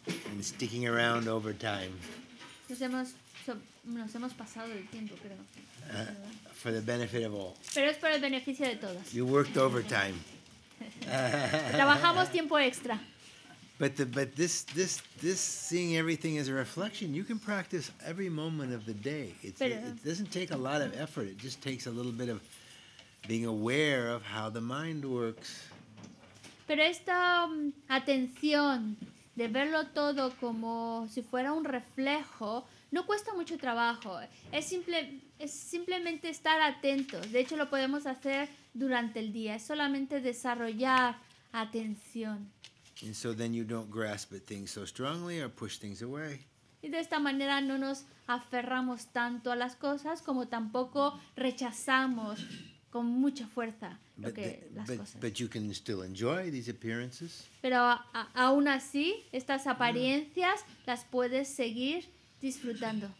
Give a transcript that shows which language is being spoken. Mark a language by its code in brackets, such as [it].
[en] And sticking around over time. [es] Nos hemos pasado el tiempo, creo. [en] For the benefit of all. [es] Pero es para el beneficio de todos. [en] You worked overtime. [es] Trabajamos tiempo extra. [en] But this seeing everything as a reflection, you can practice every moment of the day. It doesn't take a lot of effort. It just takes a little bit of being aware of how the mind works. [es] Pero esta atención de verlo todo como si fuera un reflejo no cuesta mucho trabajo. Es simplemente estar atentos. De hecho, lo podemos hacer durante el día. Es solamente desarrollar atención. [en] And so then you don't grasp at things so strongly or push things away. [es] Y de esta manera no nos aferramos tanto a las cosas como tampoco rechazamos con mucha fuerza las cosas. [en] But you can still enjoy these appearances. [es] Pero aún así, estas apariencias las puedes seguir disfrutando.